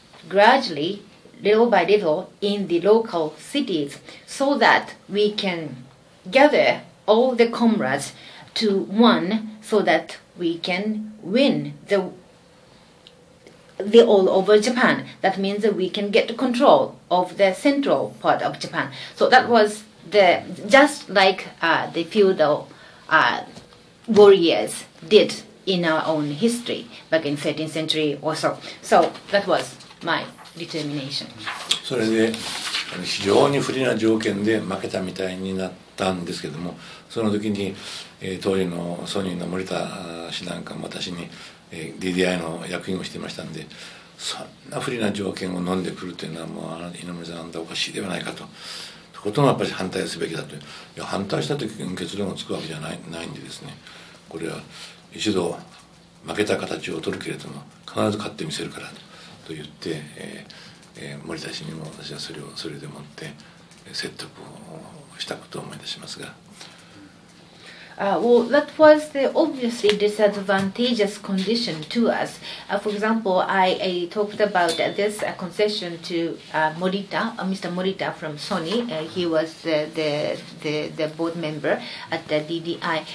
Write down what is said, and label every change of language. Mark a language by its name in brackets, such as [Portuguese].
[English] gradually, little by little, in the local cities, so that we can gather all the comrades to one, so that we can win the all over Japan. That means that we can get control of the central part of Japan. So that was the just like the feudal warriors did in our own history back in 13th century or so. So that was my determination. [Japanese] それで非常に不利な条件で負けたみたいになったんですけども、その時に、当時のソニーの森田氏なんかも私に、DDI の役員をしてましたんで、そんな不利な条件を飲んでくるというのはもう稲森さんあんたおかしいではないかと、とことんやっぱり反対すべきだと。いや反対した時に結論がつくわけじゃないんでですね、これは一度負けた形を取るけれども必ず勝ってみせるからと言って、森田氏にも私はそれでもって、説得をしたことを思い出しますが。 [English] Well, that was the obviously disadvantageous condition to us. For example, I talked about this concession to Morita, Mr. Morita from Sony. He was the board member at the DDI.